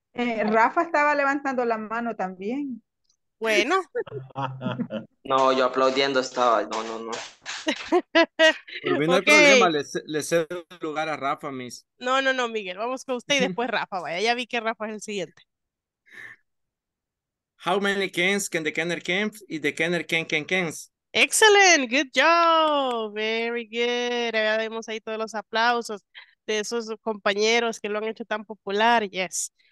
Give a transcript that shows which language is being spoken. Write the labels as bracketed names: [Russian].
[Spanish] Rafa estaba levantando la mano también. Bueno. No, yo aplaudiendo estaba. No. Por mí no okay. Hay problema, le cedo el lugar a Rafa, Miss. No, Miguel, vamos con usted y después Rafa, vaya. Ya vi que Rafa es el siguiente. [English] How many cans can the canner can y the canner can cans? Excellent, good job, very good. [Spanish] Ya vemos ahí todos los aplausos de esos compañeros que lo han hecho tan popular, yes.